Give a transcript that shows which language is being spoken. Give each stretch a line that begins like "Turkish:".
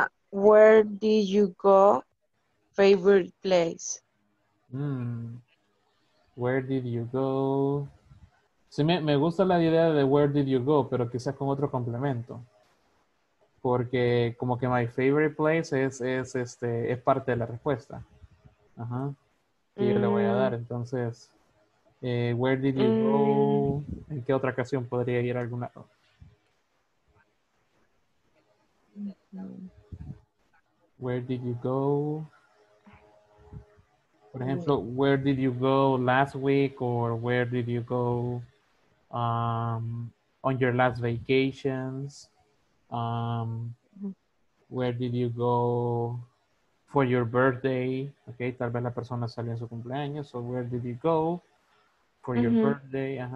English: Where did you go? Favorite place. Where did you go?
Spanish: Sí, me gusta la idea de
English: where did you go,
Spanish: pero quizás con otro complemento. Porque como que
English: my favorite place
Spanish: es parte de la respuesta. Y yo le voy a dar, entonces,
English: where did you go?
Spanish: ¿En qué otra ocasión podría ir a algún lado?
English: Where did you go?
Spanish: Por ejemplo,
English: where did you go last week? Or where did you go on your last vacations? Where did you go for your birthday?
Spanish: Okay, tal vez la persona salió en su cumpleaños.
English: So where did you go for your birthday?